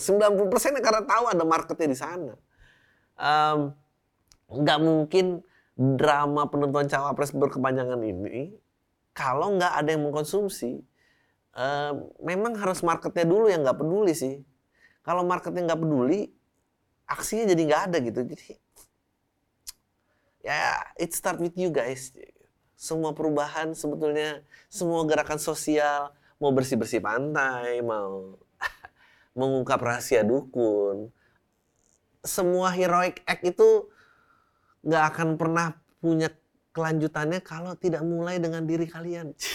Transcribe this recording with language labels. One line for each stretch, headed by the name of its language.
Indonesian: 90% karena tahu ada marketnya di sana. Nggak mungkin drama penentuan cawapres berkepanjangan ini kalau nggak ada yang mengkonsumsi. Memang harus marketnya dulu yang nggak peduli sih. Kalau marketnya nggak peduli, aksinya jadi nggak ada gitu. Jadi ya,
English: yeah, it start with you guys.
Indonesian: Semua perubahan sebetulnya, semua gerakan sosial, mau bersih-bersih pantai, mau mengungkap rahasia dukun, semua heroic act itu gak akan pernah punya kelanjutannya kalau tidak mulai dengan diri kalian.